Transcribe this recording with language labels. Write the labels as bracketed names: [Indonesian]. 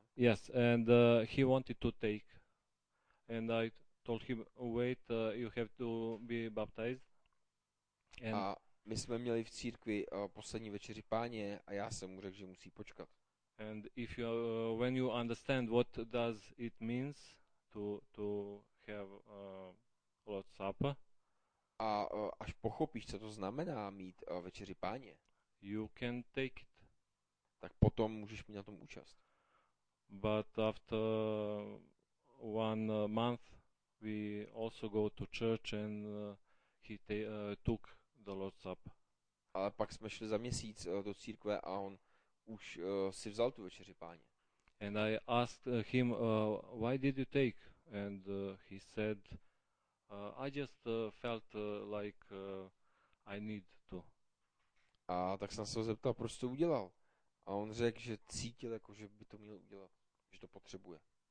[English] Yes, and he wanted to take, and I told him, wait, you have to be baptized. [Czech] And a my jsme měli v církvi poslední večeři Páně a já jsem mu řekl, že musí počkat. [English] And if you, when you understand what does it means to have Lord's Supper. [Czech] A až pochopíš, co to znamená mít večeři Páně. [English] You can take it. [Czech] Tak potom můžeš mít na tom účast. [English] But after one month we also go to church and he took the Lord's Supper. [Czech] Ale pak jsme šli za měsíc do církve a on už si vzal tu večeři Páně. [English] And I asked him why did you take, and he said I just felt like I need to. [Czech] A tak jsem se ho zeptal, proč to udělal, a on řekl, že cítil, jako že by to měl udělat, že to potřebuje.